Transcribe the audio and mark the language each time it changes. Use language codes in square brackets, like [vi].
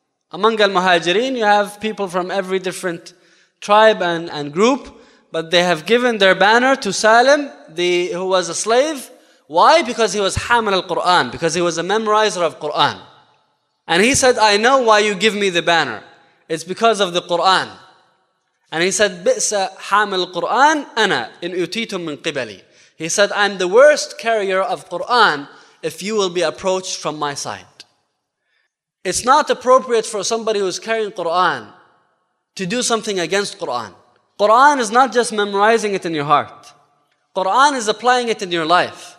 [en] Among al-Muhajirin, you have people from every different tribe and group, but they have given their banner to Salim, who was a slave. Why? Because he was Hamil al-Qur'an, because he was a memorizer of Qur'an. And he said, I know why you give me the banner. It's because of the Qur'an. And he said, [ar] بِئْسَ حَامِ الْقُرْآنِ أَنَا إِنْ أُوتِيتُم مِّن قِبَلِي. [en] He said, I'm the worst carrier of Qur'an if you will be approached from my side. It's not appropriate for somebody who's carrying Qur'an to do something against Qur'an. Qur'an is not just memorizing it in your heart. Qur'an is applying it in your life.